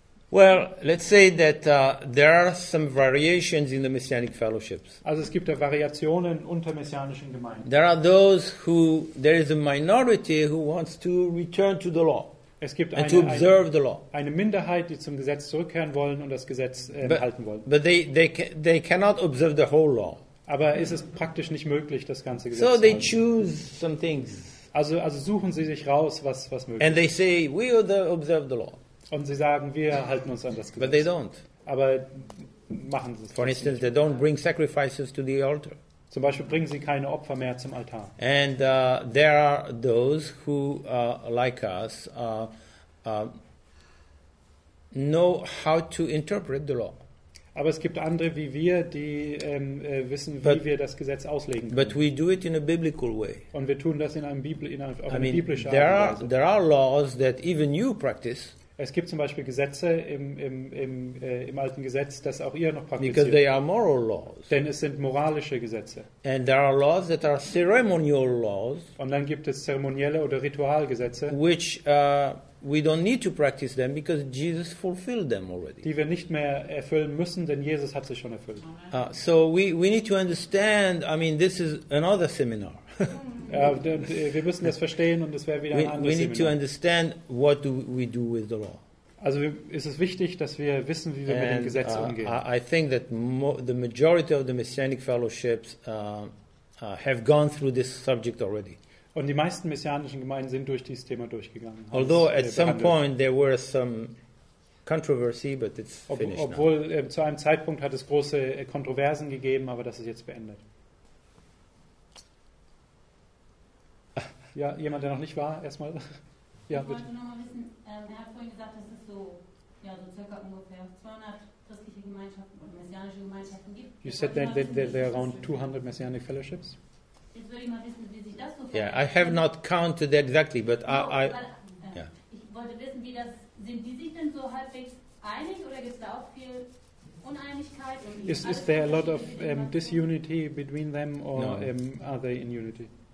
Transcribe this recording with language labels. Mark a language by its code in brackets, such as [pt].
[en] well, let's say that there are some variations in the messianic fellowships. [de] Also es gibt da Variationen unter messianischen Gemeinden. [en] There is a minority who wants to return to the law. [de] Es gibt [en] and to observe the law. [de] Eine Minderheit, die zum Gesetz zurückkehren wollen und das Gesetz halten wollen. [en] But they cannot observe the whole law. [de] Aber ist es praktisch nicht möglich, das ganze Gesetz zu halten? [en] So they choose some things. [de] Also suchen sie sich raus, was möglich ist. [en] And they say, we will observe the law. [de] Und sie sagen, wir halten uns an das Gesetz. [en] But they don't. [de] Aber machen sie es. [en] For instance, they don't bring sacrifices to the altar. [de] Zum Beispiel bringen sie keine Opfer mehr zum Altar. [en] And there are those who, like us, know how to interpret the law. [de] Aber es gibt andere wie wir, die wissen, wie wir das Gesetz auslegen können. [en] But we do it in a biblical way. [de] Und wir tun das in einer biblischen Art. [en] There are laws that even you practice. [de] Es gibt zum Beispiel Gesetze im alten Gesetz, das auch ihr noch praktiziert. [en] Because they are moral laws. [de] Denn es sind moralische Gesetze. [en] And there are laws that are ceremonial laws. [de] Und dann gibt es zeremonielle oder Ritualgesetze. [en] Which we don't need to practice them because Jesus fulfilled them already. [de] Die wir nicht mehr erfüllen müssen, denn Jesus hat sie schon erfüllt. [en] So we need to understand. I mean, this is another seminar. [de] Wir müssen das verstehen und es wäre wieder ein anderes Seminar. [en] We need to understand what do we do with the law. [de] Also ist es wichtig, dass wir wissen, wie wir [en] and, [de] mit dem Gesetz umgehen. [en] I think that the majority of the messianic fellowships have gone through this subject already. [de] Und die meisten messianischen Gemeinden sind durch dieses Thema durchgegangen. [en] Although at some point there were some controversy, but it's finished. [de] Obwohl zu einem Zeitpunkt hat es große Kontroversen gegeben, aber das ist jetzt beendet. Ja, jemand, der noch nicht war, erstmal. Ja, ich wollte nochmal wissen, er hat vorhin gesagt, dass es so circa ungefähr 200 christliche Gemeinschaften oder messianische Gemeinschaften gibt. [en] You said that there are around 200 messianic fellowships? [de] Jetzt würde ich mal wissen, wie sich das so verhält. [en] Yeah, I have not counted that exactly, but yeah. [de] Ich wollte wissen, wie das, sind die sich denn so halbwegs einig oder gibt es da auch viel Uneinigkeit? [en] Is there a lot of disunity between them or are they in unity?